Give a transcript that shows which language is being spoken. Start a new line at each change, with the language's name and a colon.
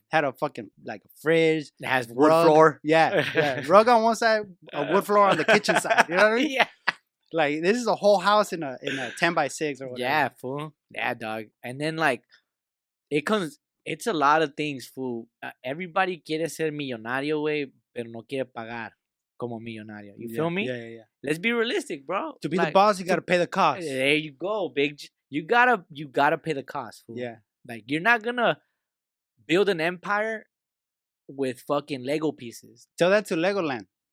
English: Had a fucking, like, fridge. It has wood rug. Floor. Yeah. Rug on one side, a wood floor on the kitchen side. You know what I mean? Yeah. Like, this is a whole house in a 10x6 or whatever. Yeah, fool. Yeah, dog. And then, like, it's a lot of things, fool. Everybody
Spanish: quiere ser millonario, güey, pero no quiere pagar como millonario.
English: You feel me? Yeah. Let's be realistic, bro. To be like, the boss, you got to pay the cost. There you go, big. You gotta pay the cost, fool. Yeah. Like, you're not going to build an empire with fucking Lego pieces. Tell that to Legoland.